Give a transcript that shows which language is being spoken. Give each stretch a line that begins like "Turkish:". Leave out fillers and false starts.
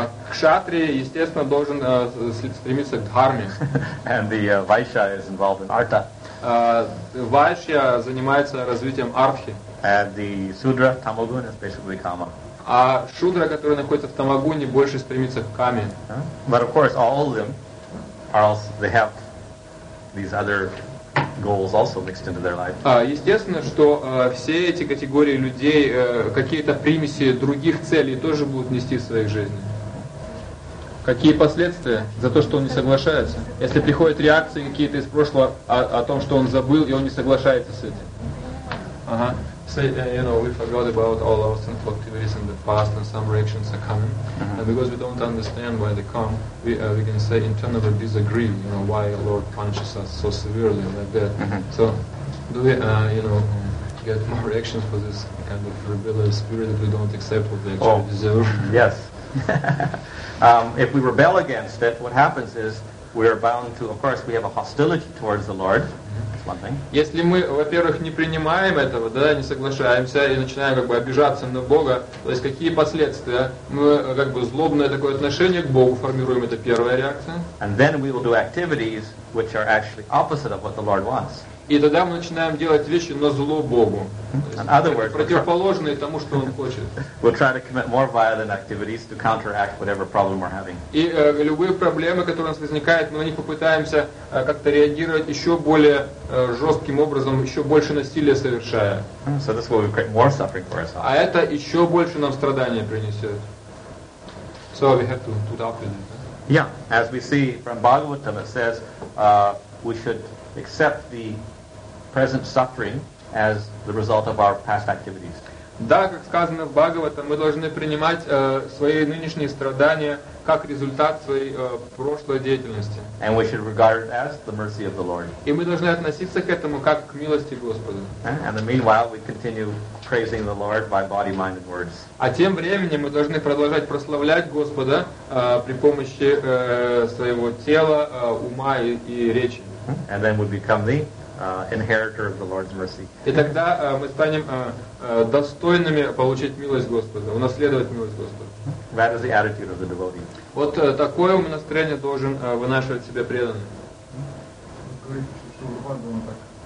Russian: Кшатри, естественно, должен стремиться к дхарме.
English: And the Vaishya is involved in artha.
Russian: Vaishya занимается развитием артхи.
English: And the Sudra, Tamagun, is basically kama.
Russian: А Шудра, который находится в Тамагуне, больше стремится к каме.
English: But of course, all of them, are also, they have these other goals also mixed into their life.
Russian: Естественно, что все эти категории людей какие-то примеси других целей тоже будут нести в своей жизни. Какие последствия за то, что он не соглашается? Если приходят реакции какие-то из прошлого о том, что он забыл и он не соглашается с этим.
English: So, you know, we forgot about all our sinful activities in the past and some reactions are coming. And because we don't understand why they come, we can say internally disagree, you know, why Lord punishes us so severely like that. So, do we, get more reactions for this kind of rebellious spirit that we don't accept what they actually deserve? Yes. if we rebel against it, what happens is we are bound to, of course, we have a hostility towards the Lord. That's one thing.
Russian: Если мы, во-первых, не принимаем этого, да, не соглашаемся и начинаем как бы обижаться на Бога, то есть какие последствия? Мы как бы злобное такое отношение к Богу формируем, это первая реакция.
English: And then we will do activities which are actually opposite of what the Lord wants.
Russian: И тогда мы начинаем делать вещи на зло Богу.
English: In other words,
Russian: противоположные тому, что Он хочет.
English: We'll try to commit more violent activities to counteract whatever problem we're having.
Russian: И любые проблемы, которые у нас возникают, мы на них попытаемся как-то реагировать еще более жестким образом, еще больше насилия совершая.
English: So this will create more suffering for ourselves.
Russian: А это еще больше нам страдания принесет.
English: So we have to doubt it. Yeah, as we see from Bhagavatam, it says we should accept the present suffering as the result of our past activities.
Russian: Да, как сказано в Бхагаватам, мы должны принимать свои нынешние страдания как результат своей прошлой деятельности.
English: And we should regard it as the mercy of the Lord.
Russian: И мы должны относиться к этому как к милости Господа.
English: And in the meanwhile, we continue praising the Lord by body, mind, and words.
Russian: А тем временем мы должны продолжать прославлять Господа при помощи своего тела, ума и речи.
English: And then we become the inheritor of the Lord's mercy.
Russian: И тогда мы станем достойными получить милость Господа, унаследовать милость Господа.
English: That is the attitude of the devotee.
Russian: Вот такое настроение должен вынашивать себе преданный. Говорит, что Бхагаван так